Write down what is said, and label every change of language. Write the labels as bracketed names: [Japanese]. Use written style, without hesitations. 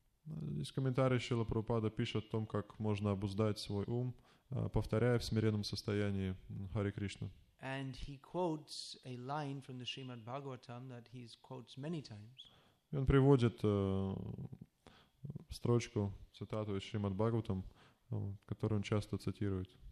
[Russian] Здесь комментарий Шрила Прабхупады пишет о том, как можно обуздать свой ум, повторяя в смиренном состоянии Харе Кришна. [English] And he quotes a line from the Srimad Bhagavatam that he quotes many times. [Russian] И он приводит строчку, цитату из Шримад Бхагаватам, которую он часто цитирует.